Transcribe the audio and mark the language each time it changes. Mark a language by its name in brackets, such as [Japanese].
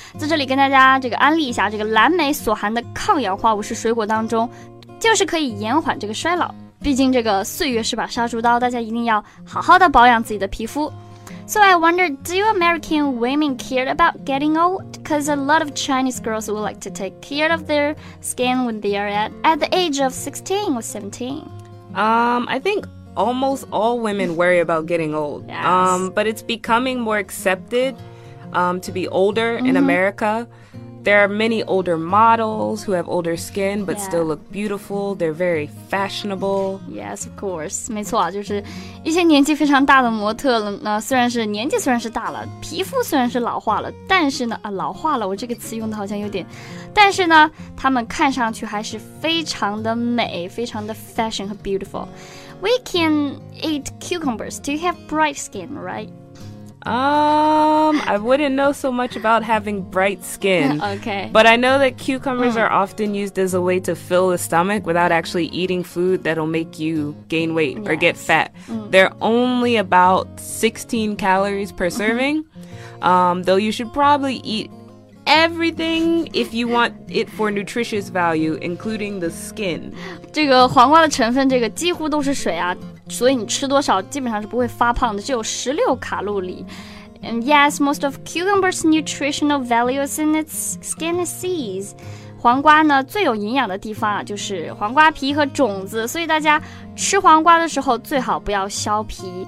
[Chinese] 在这里跟大家这个安利一下，这个蓝莓所含的抗氧化物是水果当中，就是可以延缓这个衰老。毕竟这个岁月是把杀猪刀，大家一定要好好的保养自己的皮肤。 [English] So I wonder, do you American women care about getting old? Because a lot of Chinese girls would like to take care of their skin when they are at the age of 16 or 17. I think almost all women worry about getting old. Yes. But it's becoming more accepted to be older in America. There are many older models who have older skin, but still look beautiful. They're very fashionable. Yes, of course. [Chinese] 没错，就是一些年纪非常大的模特了。那虽然是年纪虽然是大了，皮肤虽然是老化了，但是呢，老化了，我这个词用的好像有点，但是呢，他们看上去还是非常的美，非常的 fashion 和 beautiful. [English] We can eat cucumbers. Do you have bright skin, right? I wouldn't know so much about having bright skin. Okay. But I know that cucumbers are often used as a way to fill the stomach without actually eating food that'll make you gain weight or get fat. They're only about 16 calories per serving. Though you should probably eat everything if you want it for nutritious value, including the skin. [Chinese] 这个黄瓜的成分，这个几乎都是水啊。所以你吃多少基本上是不会发胖的，只有16卡路里。 [English] And yes, most of cucumber's nutritional value is in its skin and seeds. [Chinese] 黄瓜呢最有营养的地方啊，就是黄瓜皮和种子，所以大家吃黄瓜的时候最好不要削皮。